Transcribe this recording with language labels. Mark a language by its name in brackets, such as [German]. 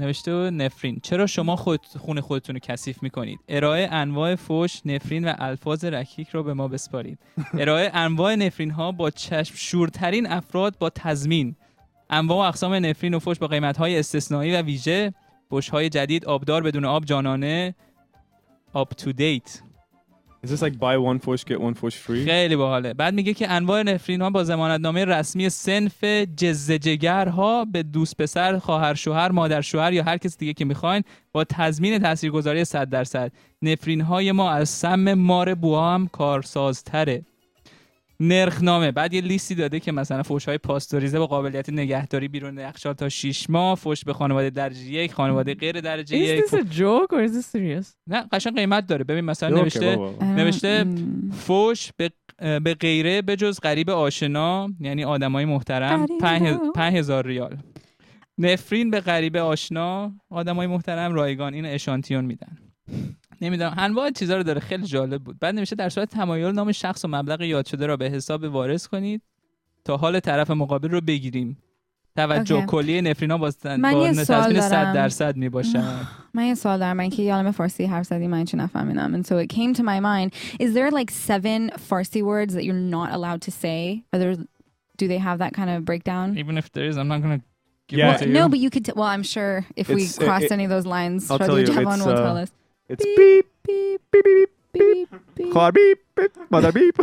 [Persian] نوشته بود نفرین چرا شما خودتون رو کثیف میکنید؟ ارائه انواع فوش، نفرین و الفاظ رکیک رو به ما بسپارید. ارائه انواع نفرین ها با چشم شورترین افراد با تضمین. انواع و اقسام نفرین و فوش با قیمت های استثنایی و ویژه. فوش های جدید آبدار بدون آب جانانه. آب تو دیت. [English] Is this like buy one fush get one fush free? [Persian] خیلی باحاله. بعد میگه که انواع نفرین ها با ضمانتنامه رسمی صنف جزجگرها به دوست پسر، خواهر شوهر، مادر شوهر یا هر کس دیگه که میخواین با تضمین تاثیرگذاری 100%. نفرین های ما از سم مار بوها هم کارسازتره. نرخنامه. بعد یه لیستی داده که مثلا فوش های پاستوریزه با قابلیت نگهداری بیرون یخچال تا 6 ماه، فوش به خانواده درجه 1، خانواده غیر درجه 1. [English] Is this a joke or is this serious? [Persian] نه قشنگ قیمت داره. ببین مثلا نوشته فوش به غیره به جز غریب آشنا یعنی آدمای محترم 5000 ریال. نفرین به غریب آشنا آدمای محترم رایگان. اینو اشانتیون میدن. نمیدونم انواع چیزا رو داره، خیلی جالب بود. بعد نمیشه در صورت تمایل نام شخص و مبلغ یاد شده را به حساب وارث کنید تا حال طرف مقابل رو بگیریم. توجه کلی نفرینا واسن با نسبت 100 درصد میباشن. من یه سوال دارم، من که یالم فارسی حرف زدی من چی نفهمیدم. [English] And so it came to my mind, is there like 7 Farsi words that you're not allowed to say? Are there, do they have that kind of breakdown? Even if there is, I'm not going to give it to you. No, but you could well, I'm sure if we cross any of those lines, Javon will tell us. It's beep beep beep beep beep beep beep car beep beep mother beep.